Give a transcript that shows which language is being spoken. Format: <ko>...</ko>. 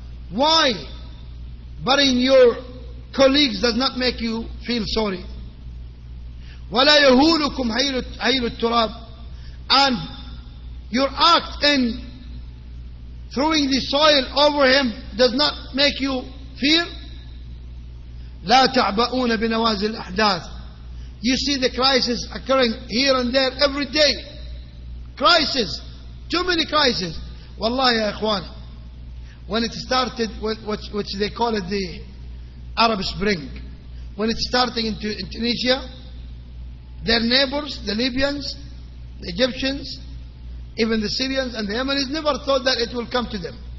<en>Why burying your colleagues does not make you feel sorry?</en> <ar>وَلَا يَهُولُكُمْ هَيْلُ التُرَابِ.</ar> <en>And your act in throwing the soil over him does not make you fear?</en> <ar>لا تعبؤون بنوازل الأحداث.</ar> <en>You see the crisis occurring here and there every day. Crisis, too many crises.</en> <ar>والله يا إخوان,</ar> <en>when it started, which they call it the Arab Spring, when it's starting in Tunisia, their neighbors, the Libyans, the Egyptians, even the Syrians and the Yemenis, never thought that it will come to them.</en>